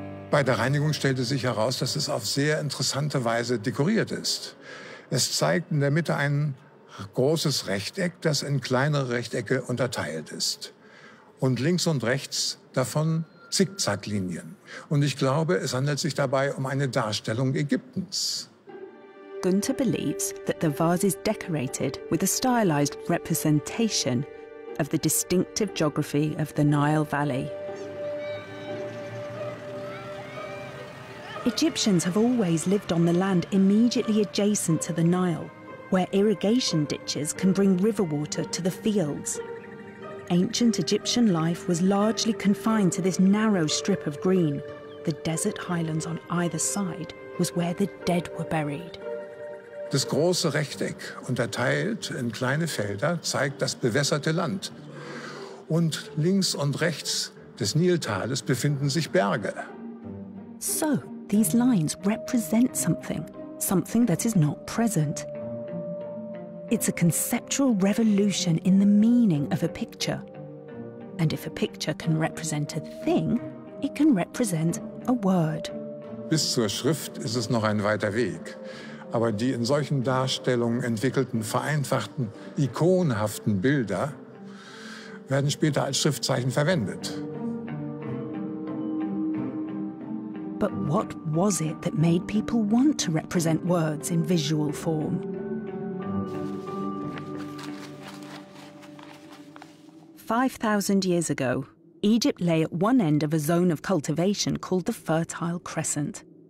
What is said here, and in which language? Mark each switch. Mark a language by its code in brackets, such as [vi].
[de] Bei der Reinigung stellte sich heraus, dass es auf sehr interessante Weise dekoriert ist. Es zeigt in der Mitte ein großes Rechteck, das in kleinere Rechtecke unterteilt ist. Und links und rechts davon Zickzacklinien. Und ich glaube, es handelt sich dabei um eine Darstellung Ägyptens. [en] Gunter believes that the vase is decorated with a stylized representation of the distinctive geography of the Nile Valley. Egyptians have always lived on the land immediately adjacent to the Nile, where irrigation ditches can bring river water to the fields. Ancient Egyptian life was largely confined to this narrow strip of green, the desert highlands on either side was where the dead were buried. [de] Das große Rechteck, unterteilt in kleine Felder, zeigt das bewässerte Land. Und links und rechts des Niltales befinden sich Berge. [en] So, these lines represent something, something that is not present. It's a conceptual revolution in the meaning of a picture. And if a picture can represent a thing, it can represent a word. [de] Bis zur Schrift ist es noch ein weiter Weg. Aber die in solchen Darstellungen entwickelten, vereinfachten, ikonhaften Bilder werden später als Schriftzeichen verwendet. [en] But what was it that made people want to represent words in visual form? Five thousand years ago, Egypt lay at one end of a zone of cultivation called the Fertile Crescent.